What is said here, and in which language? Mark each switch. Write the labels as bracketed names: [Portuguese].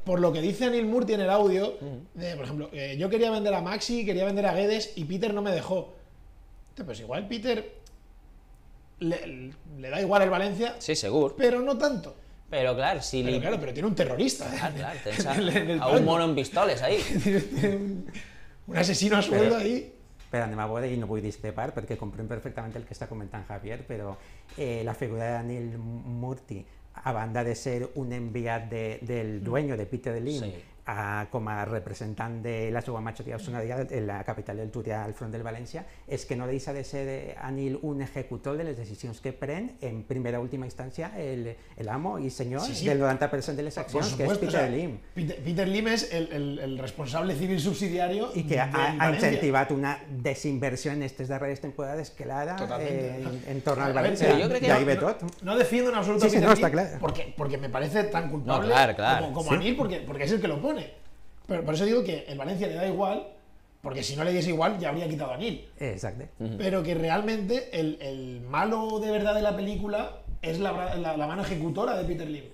[Spanish] Por lo que dice Anil Murti en el audio, por ejemplo, yo quería vender a Maxi, quería vender a Guedes y Peter no me dejó. Pues igual Peter le da igual el Valencia. Sí, seguro. Pero no tanto. Pero claro, si... Pero tiene un terrorista. Claro, a un mono en pistoles ahí. Un asesino a sueldo ahí. [Catalan] Pero anem a veure i no vull discrepar perquè comprem perfectament el que està comentant Javier, però la figura de Daniel Murti, a banda de ser un enviat del dueño de Peter Lim, sí, com a representant de la seva majoria accionària en la capital del Turia al front del València, és que no deixa de ser Anil un executor de les decisions que pren en primera última instància el amo i senyor del 90% de les accions, que és Peter Lim. Peter Lim és el responsable civil subsidiari del València. I que ha incentivat una desinversió en aquestes darreres temporades clara en torn al València. I ahí ve tot. [Spanish] No defiendo en absoluto a Peter Lim porque me parece tan culpable como Anil, porque es el que lo pone. Pero por eso digo que el Valencia le da igual, porque si no le diese igual ya habría quitado a Anil. Exacto. Pero que realmente el malo de verdad de la película es la mano ejecutora de Peter Lim.